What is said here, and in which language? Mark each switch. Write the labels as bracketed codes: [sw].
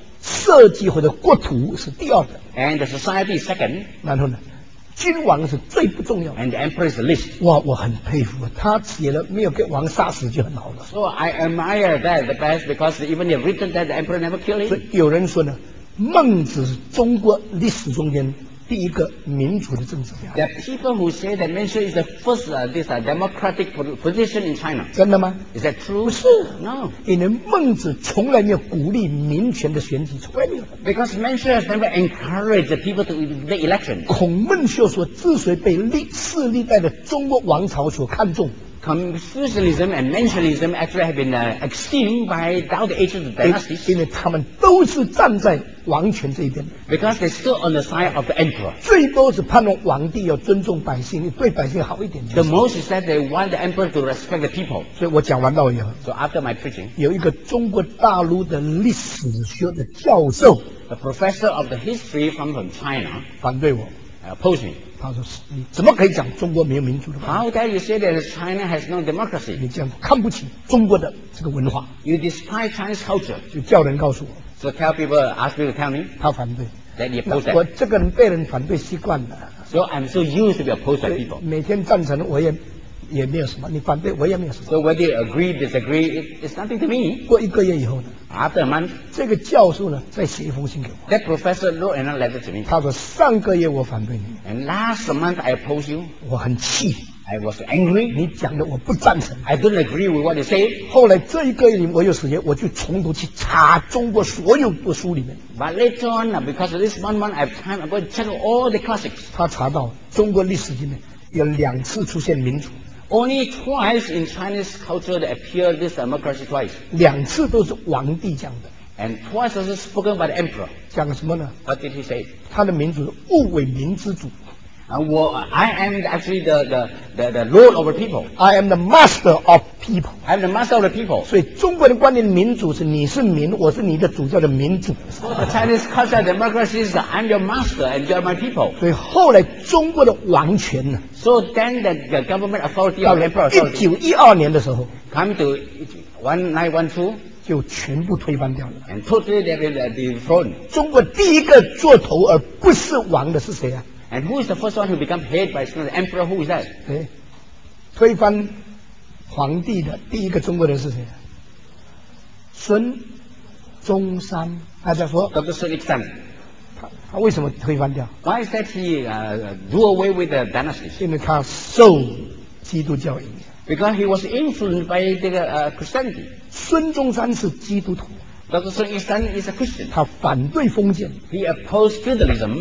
[zh] 社稷或者国土是第二的 [en] and the society is second [zh] 然后呢君王是最不重要的 [en] and the emperor is the least [zh] 哇我很佩服他写了没有给王杀死就很好了 [en] so I admire that the best because even if written that the emperor never killed him [zh] 所以有人说呢孟子是中国历史中间第一个民主的政治家 [en] there are people who say that Manchu is the first democratic position in China [zh] 真的吗 [en] is that true [zh] 不是 [en] no [zh] 因为孟子从来没有鼓励民权的选举从来没有 [en] because Manchu has never encouraged the people to the election [zh] 孔孟秀说之所以被四历代的中国王朝所看重 [en] Confucianism and Mencianism actually have been esteemed by down the age of the dynasties. [zh] 因为他们都是站在王权这边。 [en] Because they stood on the side of the emperor. [zh] 最多是盼望皇帝要尊重百姓，对百姓好一点。 [en] The most is that they want the emperor to respect the people. [zh] 所以我讲完道以后 [en] ，So after my preaching, [zh] 有一个中国大陆的历史学的教授 [en] ，A professor of the history from China, [zh] 反对我 [en] ，Oppose me. [zh] 他说是你怎么可以讲中国没有民主的 [en] How dare you say that China has no democracy [zh] 你这样看不起中国的这个文化 [en] You despise Chinese culture [zh] 就叫人告诉我 [en] So tell people ask me to tell me [zh] 他反对 [en] That you oppose that [zh] 我这个人被人反对习惯了 [en] So I'm so used to be opposed by people [zh] 每天赞成我也没有什么你反对我也没有什么 [en] So whether you agree disagree it's nothing to me [zh] 过一个月以后呢 [en] After a month [zh] 这个教授呢再写一封信给我 [en] That professor wrote another letter to me [zh] 他说上个月我反对你 [en] And last month I oppose you [zh] 我很气 [en] I was angry. [zh] 你讲的我不赞成。 [en] I don't agree with what you say. [zh] 后来这一个月里我有时间，我就重读去查中国所有的书里面。 [en] But later on, because of this 1 month, I have time. I'm going to check all the classics. [zh] 他查到中国历史里面有两次出现民主。 [en] Only twice in Chinese culture that appear this democracy twice. [zh] 两次都是皇帝讲的。 [en] And twice was spoken by the emperor. [zh] 讲什么呢？ [en] What did he say? [zh] 他的民主是物为民之主。 [en] I am actually the lord of the people. I am the master of people. I am the master of the people. [zh] 所以中国的观念民主是你是民，我是你的主，叫做民主。 [en] So the Chinese culture democracy is I'm your master and you're my people. [zh] 所以后来中国的王权呢 [en] ？So then the government authority of emperor. [zh] 到1912年的时候 [en] ，come to 1912。 [zh] 就全部推翻掉了 [en] and totally they will be thrown. [zh] 中国第一个做头而不是王的是谁啊 [en] and who is the first one who become head by the emperor who is that [zh] 推翻皇帝的第一个中国人是谁孙中山大家说 [en] Dr. Sun Yat-sen [zh] 他为什么推翻掉 [en] why is that he do away with the dynasty [zh] 因为他受基督教影响 [en] because he was influenced by the Christianity [zh] 孙中山是基督徒 [en] Dr. Sun Yat-sen is a Christian [zh] 他反对封建 [en] He opposed feudalism